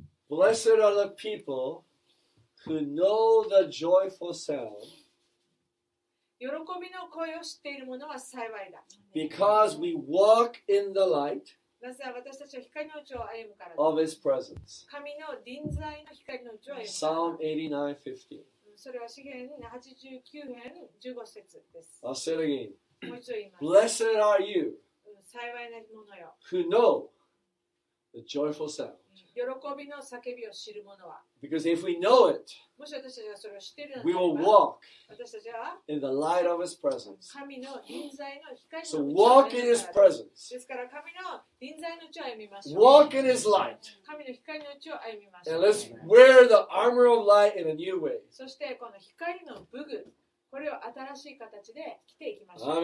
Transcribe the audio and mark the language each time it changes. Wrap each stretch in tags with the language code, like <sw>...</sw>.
<en>Blessed are the people who know the joyful sound.</en> <ja>喜びの声を知っている者は幸いだ。</ja> <en>Because we walk in the light.</en> <ja>なぜ私たちは光のうちを歩むから。</ja> <en>Of His presence.</en> <ja>神の臨在の光のうちを歩む。</ja> <en>Psalm 89:15.</en> <ja>それは詩編89編15節です。</ja> <en>I'll say it again. Blessed are you.</en> <ja>幸いな者よ。</ja> <en>Who know the joyful sound.</en> <ja>喜びの叫びを知る者は。</ja> <en>Because if we know it,</en> <ja>もし私たちがそれを知っている</ja> <en>なら、we will walk.</en> <ja>私たちは</ja> <en>in the light of His presence.</en> <ja>神の臨在の光の。</ja> <en>So walk in His presence.</en> <ja>ですから神の臨在のうちを歩みましょう。</ja> <en>Walk in His light.</en> <ja>神の光のうちを歩みましょう。</ja> <en>And let's wear the armor of light in a new way.</en> <ja>そしてこの光の武具、これを新しい形で着ていきましょう。</ja>